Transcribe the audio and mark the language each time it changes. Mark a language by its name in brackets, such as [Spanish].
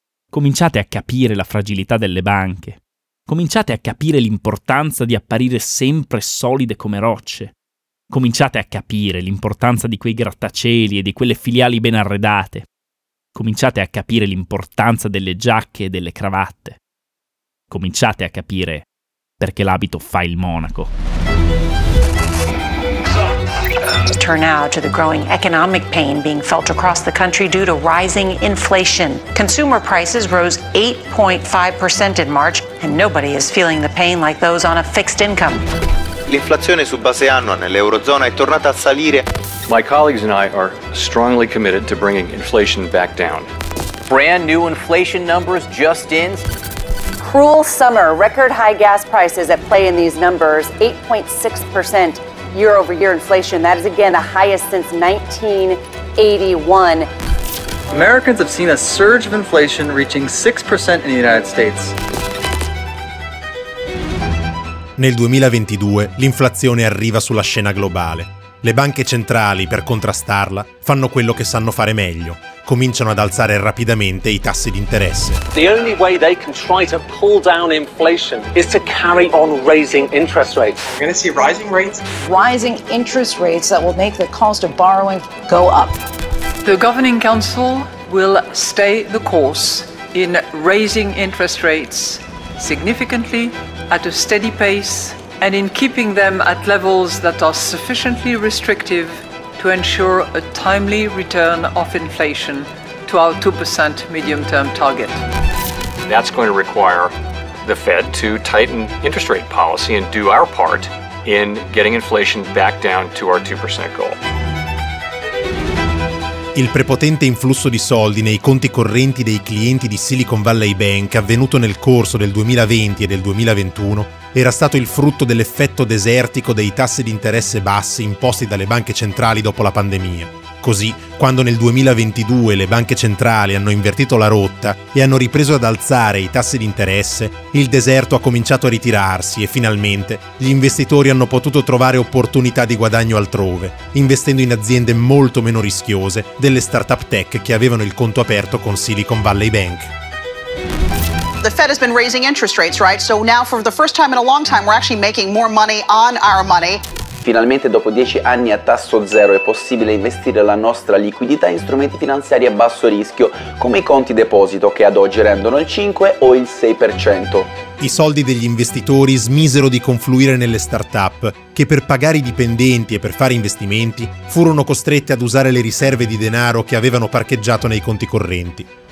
[Italian] Cominciate a capire la fragilità delle banche. Cominciate a capire l'importanza di apparire sempre solide come rocce. Cominciate a capire l'importanza di quei grattacieli e di quelle filiali ben arredate. Cominciate a capire l'importanza delle giacche e delle cravatte. Cominciate a capire perché l'abito fa il monaco. [English] Turn now to the growing economic pain being felt across the country due to rising inflation. Consumer prices rose 8.5% in March and nobody is feeling the pain like those on a fixed income. [Italian] L'inflazione su base annua nell'eurozona è tornata a salire. [English] My colleagues and I are strongly committed to bringing inflation back down. Brand new inflation numbers just in. Cruel summer, record high gas prices at play in these numbers. 8.6% year over year inflation. That is again the highest since 1981. Americans have seen a surge of inflation reaching 6% in the United States. [Italian] Nel 2022 l'inflazione arriva sulla scena globale. Le banche centrali, per contrastarla, fanno quello che sanno fare meglio. Cominciano ad alzare rapidamente i tassi di interesse. [English] The only way they can try to pull down inflation is to carry on raising interest rates. We're going to see rising rates. Rising interest rates that will make the cost of borrowing go up. The Governing Council will stay the course in raising interest rates significantly at a steady pace and in keeping them at levels that are sufficiently restrictive to ensure a timely return of inflation to our 2% medium-term target. That's going to require the Fed to tighten interest rate policy and do our part in getting inflation back down to our 2% goal. [Italian] Il prepotente influsso di soldi nei conti correnti dei clienti di Silicon Valley Bank avvenuto nel corso del 2020 e del 2021 era stato il frutto dell'effetto desertico dei tassi di interesse bassi imposti dalle banche centrali dopo la pandemia. Così, quando nel 2022 le banche centrali hanno invertito la rotta e hanno ripreso ad alzare i tassi di interesse, il deserto ha cominciato a ritirarsi e finalmente gli investitori hanno potuto trovare opportunità di guadagno altrove, investendo in aziende molto meno rischiose delle startup tech che avevano il conto aperto con Silicon Valley Bank. [English] The Fed has been raising interest rates, right? So now for the first time in a long time we're actually making more money on our money. [Italian] Finalmente dopo 10 anni a tasso zero è possibile investire la nostra liquidità in strumenti finanziari a basso rischio, come i conti deposito che ad oggi rendono il 5 o il 6%. I soldi degli investitori smisero di confluire nelle startup, che per pagare i dipendenti e per fare investimenti furono costrette ad usare le riserve di denaro che avevano parcheggiato nei conti correnti.